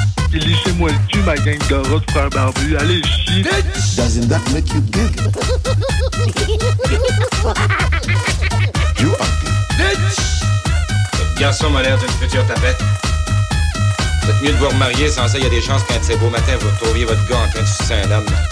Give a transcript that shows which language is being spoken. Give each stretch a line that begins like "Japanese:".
French: Et laissez-moi le tuer, ma gang de rats, frère barbu, allez chier!
English: Bitch! Doesn't that make you giggle? You are gay. Bitch!
French: Cette garçon m'a l'air d'une future tapette. Faites mieux de vous remarier, sans ça, il y a des chances qu'un de ces beaux matins, vous retrouviez votre gars en train de sucer un homme.